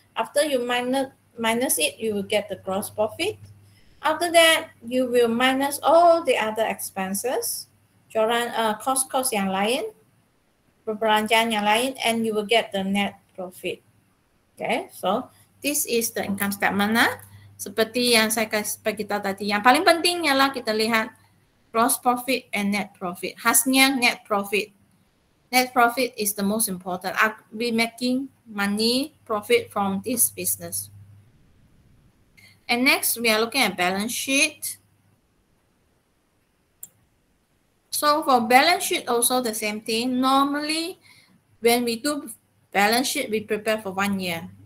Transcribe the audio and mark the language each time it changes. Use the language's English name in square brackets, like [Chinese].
[English] After you minus it, you will get the gross profit. After that, you will minus all the other expenses, [Malay] jualan, cost yang lain, [English] perbelanjaan yang lain, and you will get the net profit. Okay, so this is the income statement. Nah. [Malay] Seperti yang saya kasih bagi kita tadi, yang paling penting ialah kita lihat [English] gross profit and net profit. [Malay] Khasnya net profit. [English] Net profit is the most important. I'll be making money profit from this business. And next, we are looking at balance sheet. So for balance sheet, also the same thing. Normally, when we do balance sheet, we prepare for 1 year.